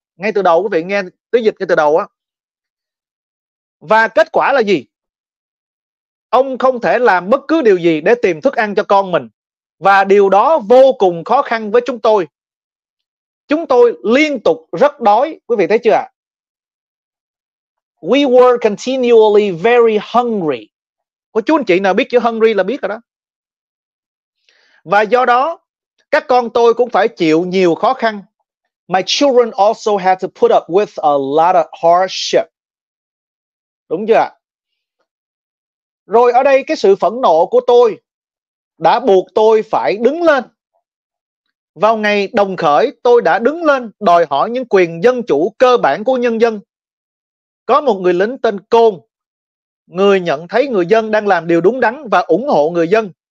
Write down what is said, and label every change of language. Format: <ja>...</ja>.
<vi>Ngay từ đầu quý vị nghe, tới dịch ngay từ đầu á. Và kết quả là gì? Ông không thể làm bất cứ điều gì để tìm thức ăn cho con mình. Và điều đó vô cùng khó khăn với chúng tôi. Chúng tôi liên tục rất đói. Quý vị thấy chưa ạ?</vi> <en>We were continually very hungry.</en> <vi>Có chú anh chị nào biết chữ hungry là biết rồi đó. Và do đó, các con tôi cũng phải chịu nhiều khó khăn.</vi> <en>My children also had to put up with a lot of hardship.</en> <vi>Đúng chưa ạ? Rồi ở đây cái sự phẫn nộ của tôi đã buộc tôi phải đứng lên. Vào ngày đồng khởi, tôi đã đứng lên đòi hỏi những quyền dân chủ cơ bản của nhân dân. Có một người lính tên Côn, người nhận thấy người dân đang làm điều đúng đắn và ủng hộ người dân.</vi>